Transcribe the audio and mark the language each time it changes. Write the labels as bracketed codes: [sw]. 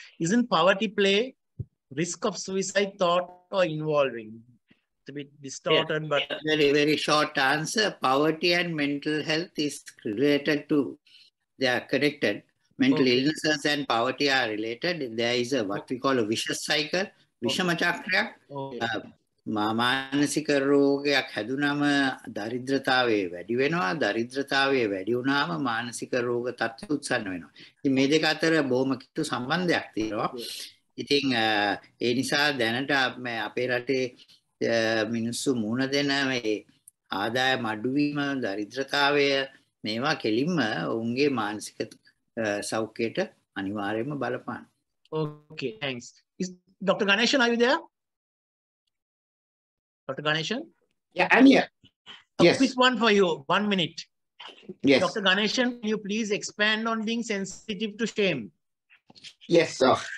[en] Isn't poverty play, risk of suicide thought or involving? It's a bit distorted, yeah, but... Very, very short answer. Poverty and mental health is related to, they are connected. Mental illnesses and poverty are related. There is a what we call a vicious cycle, Vishamachakra. [si] මානසික රෝගයක් හැදුනම දරිද්‍රතාවයේ වැඩි වෙනවා දරිද්‍රතාවයේ වැඩි වුනාම මානසික රෝග තත්ත්ව උත්සන්න වෙනවා ඉතින් මේ දෙක අතර බොහොම කිතු සම්බන්ධයක් තියෙනවා ඉතින් ඒ නිසා දැනට අපේ රටේ මිනිස්සු මුණ දෙන මේ ආදායම අඩුවීම දරිද්‍රතාවය මේවා කෙලින්ම ඔවුන්ගේ මානසික සෞඛ්‍යයට අනිවාර්යයෙන්ම බලපාන [en] Okay thanks is Dr. Ganesan are you there Dr. Ganesan? Yeah, I'm here. Yes. A quick one for you, 1 minute. Yes. Dr. Ganesan, can you please expand on being sensitive to shame? Yes, sir.